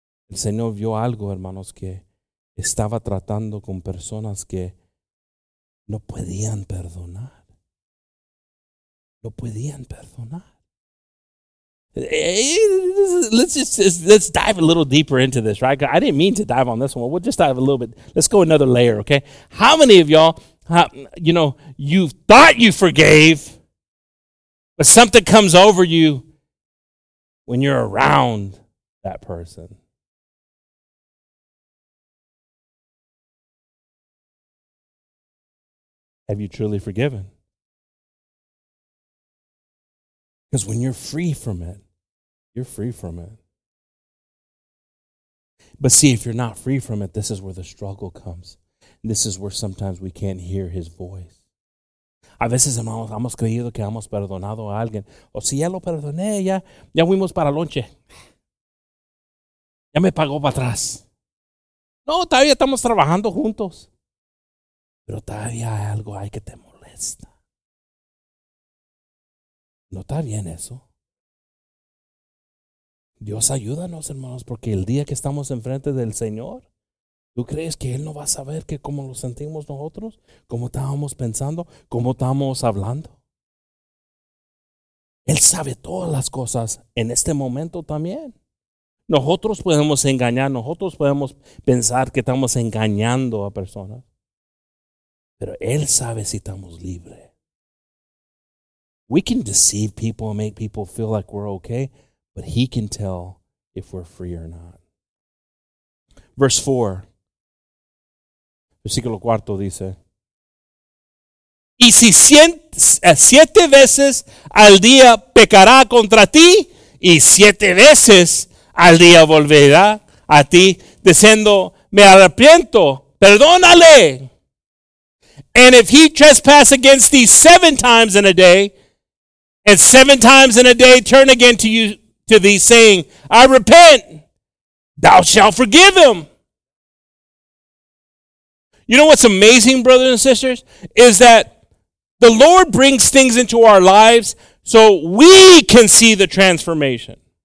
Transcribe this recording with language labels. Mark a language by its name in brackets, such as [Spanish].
[Spanish] El Señor vio algo, hermanos, que estaba tratando con personas que no podían perdonar. No podían perdonar. [English] Let's dive a little deeper into this, right? I didn't mean to dive on this one. We'll just dive a little bit. Let's go another layer, okay? How many of y'all, you know, you thought you forgave, but something comes over you when you're around that person? Have you truly forgiven? Because when you're free from it, you're free from it. But see, if you're not free from it, this is where the struggle comes. This is where sometimes we can't hear his voice. [Spanish] A veces hemos creído que hemos perdonado a alguien. O si ya lo perdoné, ya fuimos para lonche. Ya me pagó para atrás. No, todavía estamos trabajando juntos. Pero todavía hay algo ahí que te molesta. ¿No está bien eso? Dios ayúdanos, hermanos, porque el día que estamos enfrente del Señor, ¿tú crees que Él no va a saber que cómo lo sentimos nosotros? ¿Cómo estábamos pensando? ¿Cómo estábamos hablando? Él sabe todas las cosas en este momento también. Nosotros podemos engañar, nosotros podemos pensar que estamos engañando a personas. Pero Él sabe si estamos libres. [English] We can deceive people and make people feel like we're okay, but He can tell if we're free or not. Verse 4. [Spanish] Versículo cuarto dice, y si siete veces al día pecará contra ti, y siete veces al día volverá a ti, diciendo, me arrepiento, perdónale. [English] And if he trespass against thee seven times in a day, and seven times in a day turn again to you to thee, saying, I repent, thou shalt forgive him. You know what's amazing, brothers and sisters, is that the Lord brings things into our lives so we can see the transformation.